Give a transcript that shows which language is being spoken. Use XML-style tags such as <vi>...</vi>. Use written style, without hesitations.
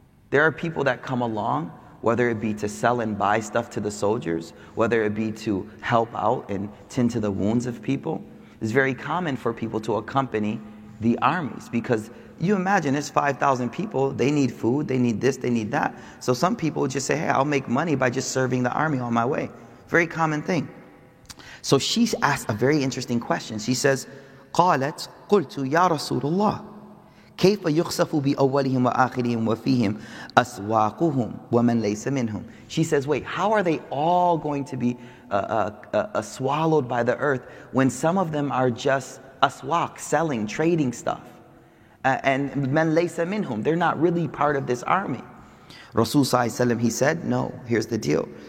<en>There are people that come along, whether it be to sell and buy stuff to the soldiers, whether it be to help out and tend to the wounds of people. It's very common for people to accompany the armies because you imagine it's 5,000 people. They need food. They need this. They need that. So some people just say, hey, I'll make money by just serving the army on my way. Very common thing. So she asked a very interesting question. She says,</en> <ar>قالت قلت يا رسول الله كيف يخصف بأولهم وآخرهم وفيهم أسواقهم ومن ليس منهم.</ar> <en>She says, wait, how are they all going to be swallowed by the earth when some of them are just aswaq, selling, trading stuff? And</en> <ar>men laysa minhum,</ar> <en>they're not really part of this army. Rasul Sallallahu Alaihi Wasallam, he said, no, here's the deal.</en>